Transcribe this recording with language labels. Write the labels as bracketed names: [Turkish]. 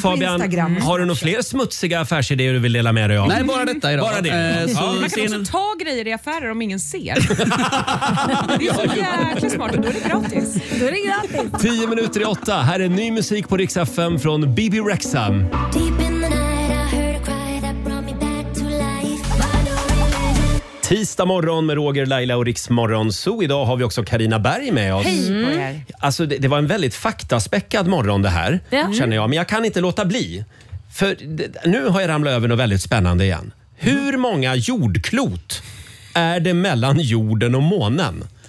[Swedish] Fabian, på Instagram. Har du några fler smutsiga affärsidéer du vill dela med dig av? Nej, bara detta idag. Bara det. Så man kan också ta grejer i affärer om ingen ser. Det är jäkla smart, då är det gratis. Då är det gratis. 7:50. Här är ny musik på Rix FM från Bibi Rexha. [English] Deep in the night I heard a cry that brought me back to life. [Swedish] Tisdag morgon med Roger, Laila och Riksmorgon. Så idag har vi också Carina Berg med oss. Hej. Mm. Alltså det var en väldigt faktaspäckad morgon det här, känner jag. Men jag kan inte låta bli. För nu har jag ramlat över något väldigt spännande igen. Hur många jordklot är det mellan jorden och månen?